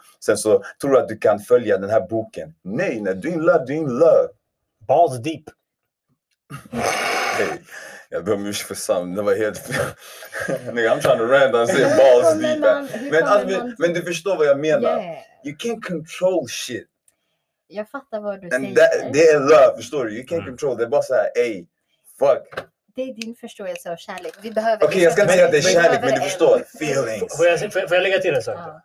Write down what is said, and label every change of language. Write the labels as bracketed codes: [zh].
[en] I'm gone. [sv] Nej, när du är in love, du är in love. [en] Balls deep. [sv] Hey, jag ber om ursäkt för Sam. Det var helt... [en] I'm trying to rant and say balls deep. [sv] Men du förstår vad jag menar. [en] Yeah. You can't control shit. [sv] Jag fattar vad du [en] and [sv] säger. Det är love, förstår du? [en] You can't control. [sv] Det är bara så här, hey, fuck. Det är din förståelse av kärlek. Vi behöver... Okej, okay, jag ska inte säga att det är kärlek, men du förstår. [en] Feelings. [sv] Får jag lägga till en sak?